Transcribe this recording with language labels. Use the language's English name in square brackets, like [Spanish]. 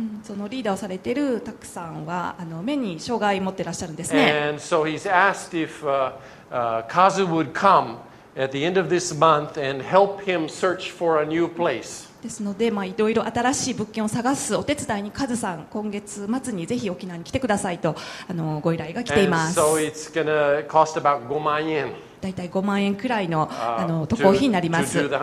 [Japanese] そのリーダーをされているタクさんは目に障害を持っていらっしゃるんですね。 [English] And so he's asked if Kazu would come at the end of this month and help him search for a new place. [Japanese] ですので、まあ、いろいろ新しい物件を探すお手伝いにカズさん、今月末にぜひ沖縄に来てくださいとご依頼が来ています。 [English] And so it's going to cost about 5万円。 [Japanese] だいたい5万円くらいの渡航費になります。